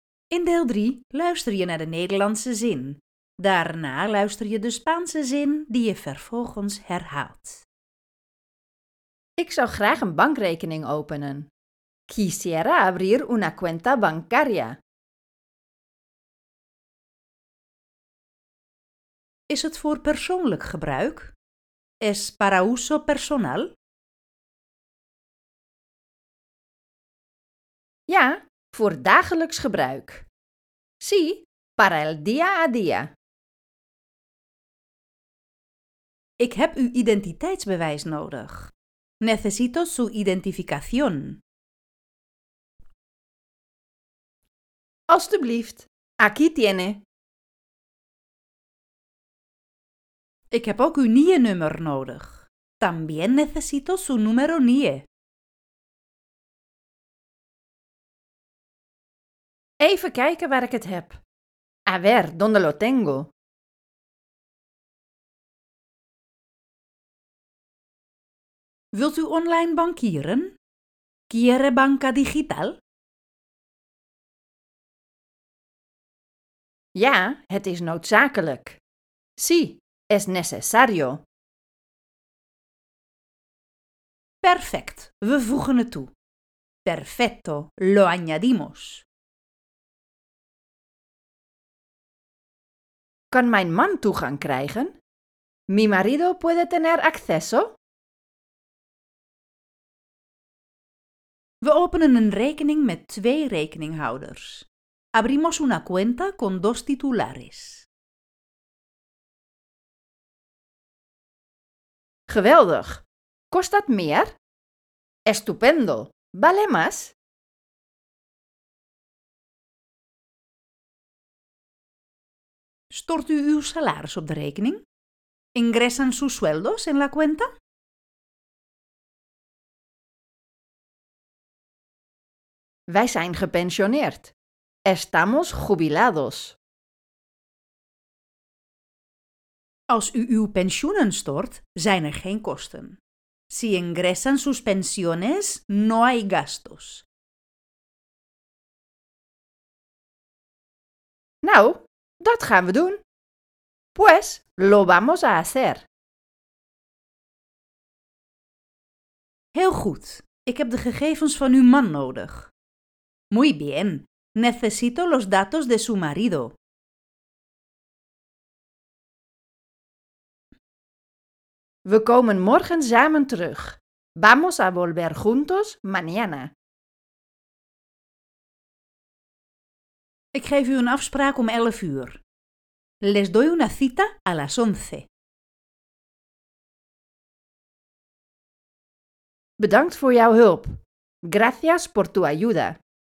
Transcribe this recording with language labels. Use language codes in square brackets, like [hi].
[nl] In deel 3 luister je naar de Nederlandse zin. Daarna luister je de Spaanse zin die je vervolgens herhaalt. Ik zou graag een bankrekening openen. [es] Quisiera abrir una cuenta bancaria. [nl] Is het voor persoonlijk gebruik? [es] ¿Es para uso personal? [nl] Ja, voor dagelijks gebruik. [es] Sí, para el día a día. [nl] Ik heb uw identiteitsbewijs nodig. [es] Necesito su identificación. [nl] Alsjeblieft, [es] aquí tiene. [nl] Ik heb ook uw NIE-nummer nodig. [es] También necesito su número NIE. [nl] Even kijken waar ik het heb. [es] A ver, ¿dónde lo tengo? [nl] Wilt u online bankieren? [es] ¿Quiere banca digital? [nl] Ja, het is noodzakelijk. [es] Sí, es necesario. [nl] Perfect, we voegen het toe. [es] Perfecto. Lo añadimos. [nl] ¿Kan mijn man toegang krijgen? [es] ¿Mi marido puede tener acceso? [nl] We openen een rekening met twee rekeninghouders. [es] Abrimos una cuenta con dos titulares. [nl] Geweldig. ¿Kost dat meer? [es] Estupendo. ¿Vale más? [nl] ¿Stort u uw salaris op de rekening? [es] ¿Ingresan sus sueldos en la cuenta? [nl] Wij zijn gepensioneerd. [es] Estamos jubilados. [nl] Als u uw pensioenen stort, zijn er geen kosten. [es] Si ingresan sus pensiones, no hay gastos. [nl] Nou, dat gaan we doen. [es] Pues, lo vamos a hacer. [nl] Heel goed. Ik heb de gegevens van uw man nodig. [es] Muy bien. Necesito los datos de su marido. [nl] We komen morgen samen terug. [es] Vamos a volver juntos mañana. [nl] Ik geef u een afspraak om 11 uur. [es] Les doy una cita a las 11. [nl] Bedankt voor jouw hulp. [es] Gracias por tu ayuda.